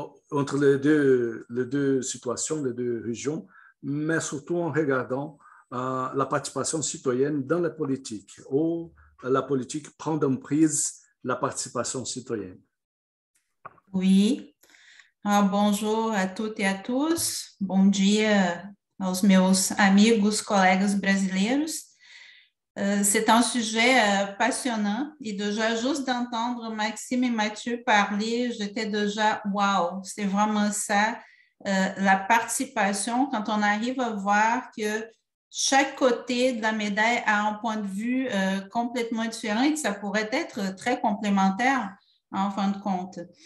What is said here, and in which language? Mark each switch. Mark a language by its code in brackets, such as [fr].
[fr] entre les deux situations, les deux régions, mais surtout en regardant la participation citoyenne dans la politique, où la politique prend en prise la participation citoyenne. Oui. Bonjour à toutes et à tous. [pt] Bon dia aos meus amigos, colegas brasileiros. [fr] C'est un sujet passionnant et déjà juste d'entendre Maxime et Mathieu parler, j'étais déjà « wow », c'est vraiment ça, la participation, quand on arrive à voir que chaque côté de la médaille a un point de vue complètement différent et que ça pourrait être très complémentaire en fin de compte.